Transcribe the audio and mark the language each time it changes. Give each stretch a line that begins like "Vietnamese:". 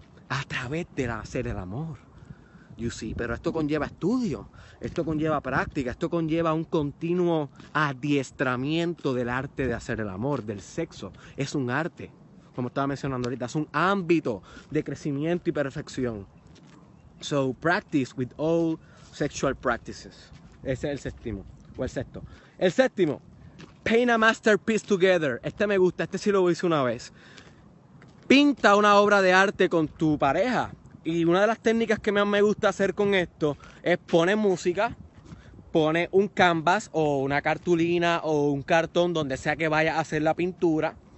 Spanish: a través de hacer el amor.
English: You see,
Spanish: pero esto conlleva estudio, esto conlleva práctica, esto conlleva un continuo adiestramiento del arte de hacer el amor, del sexo. Es un arte, como estaba mencionando ahorita, es un ámbito de crecimiento y perfección.
English: So, practice with all sexual practices.
Spanish: Ese es el séptimo, o el sexto. El séptimo,
English: paint a masterpiece together.
Spanish: Este me gusta, este sí lo hice una vez. Pinta una obra de arte con tu pareja. Y una de las técnicas que más me gusta hacer con esto es poner música, pone un canvas o una cartulina o un cartón, donde sea que vaya a hacer la pintura.